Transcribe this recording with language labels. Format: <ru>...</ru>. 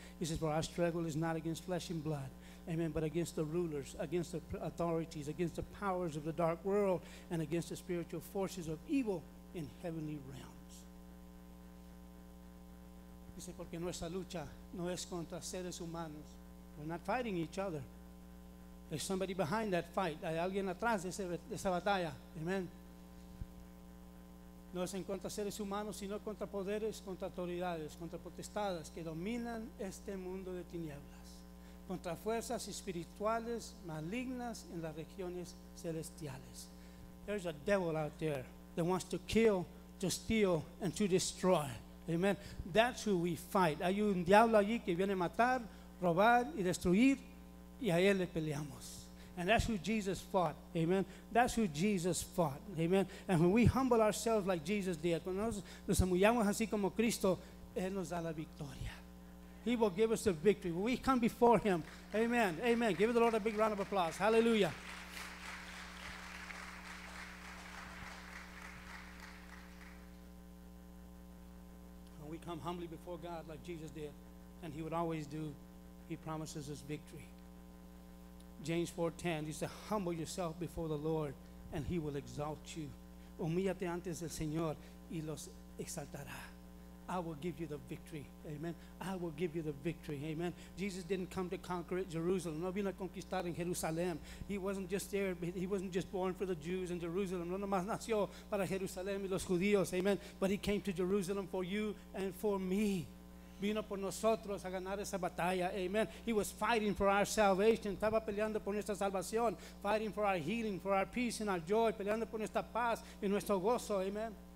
<en>He says, for our struggle is not against flesh and blood. Amen. But against the rulers, against the authorities, against the powers of the dark world, and against the spiritual forces of evil in heavenly realms.</en> <es>Dice, porque nuestra lucha no es contra seres humanos.</es> <en>We're not fighting each other. There's somebody behind that fight.</en> <es>Hay alguien atrás de esa batalla. Amen. No es en contra seres humanos, sino contra poderes, contra autoridades, contra potestades que dominan este mundo de tinieblas. Contra fuerzas espirituales malignas en las regiones celestiales.</es> <en>There's a devil out there that wants to kill, to steal, and to destroy. Amen. That's who we fight.</en> <es>Hay un diablo allí que viene a matar, robar y destruir, y a él le peleamos.</es> <en>And that's who Jesus fought. Amen. That's who Jesus fought. Amen. And when we humble ourselves like Jesus did,</en> <es>cuando nos humillamos así como Cristo, él nos da la victoria.</es> <en>He will give us the victory. When we come before him, amen, amen. Give the Lord a big round of applause. Hallelujah. come humbly before God like Jesus did, and he would always do. He promises us victory. James 4:10, he said, humble yourself before the Lord, and he will exalt you.</en> <es>Humíllate antes del Señor, y los exaltará.</es> <en>I will give you the victory. Amen. I will give you the victory. Amen. Jesus didn't come to conquer Jerusalem.</en> <es>No vino a conquistar en Jerusalén.</es> <en>He wasn't just there. He wasn't just born for the Jews in Jerusalem.</en> <es>No nomás nació para Jerusalén y los judíos.</es> <en>Amen. But he came to Jerusalem for you and for me.</en> <es>Vino por nosotros a ganar esa batalla. Amen.</es> <en>He was fighting for our salvation.</en> <es>Estaba peleando por nuestra salvación.</es> <en>Fighting for our healing, for our peace and our joy.</en> <es>Peleando por nuestra paz y nuestro gozo. Amen.</es>